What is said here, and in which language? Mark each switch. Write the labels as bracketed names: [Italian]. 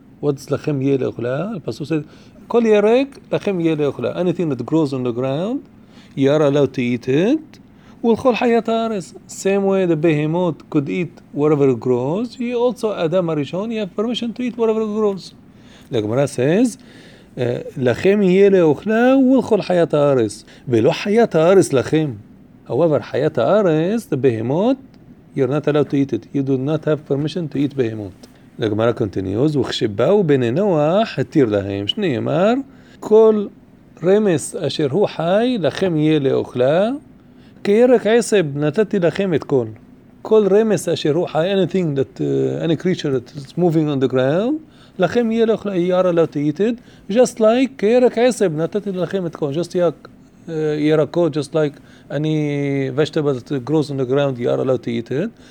[Hebrew] What's lachem yehiye le'ochla? [English] The pasuk said, [Hebrew] "Kol yerek lachem yehiye le'ochla." [English] Anything that grows on the ground, you are allowed to eat it. [Hebrew] Ulchol hayat ha'aretz. [English] Same way the behemoth could eat whatever grows. He also Adam HaRishon, he have permission to eat whatever grows. The Gemara says, [Hebrew] לכם יהיה לאוכלה ולכל חיית הארץ ולא חיית הארץ לכם. [English] However, [Hebrew] חיית הארץ, [English] the behemot, you're not allowed to eat it. You do not have permission to eat behemot. The Gemara continues, [Hebrew] וכשבאו בני נוח, התיר להם, שנאמר, כל רמס אשר הוא חי, לכם יהיה לאוכלה, כירק עשב, נתתי לכם את כל. כל רמס אשר הוא חי, [English] anything that, any creature that is moving on the ground, [Hebrew] לכם יהיה לאוכלה, [English] you are allowed to eat it, just like [Hebrew] כירק עשב, נתתי לכם את כל, [English] just like ירקות, just like any vegetable that grows on the ground, you are allowed to eat it.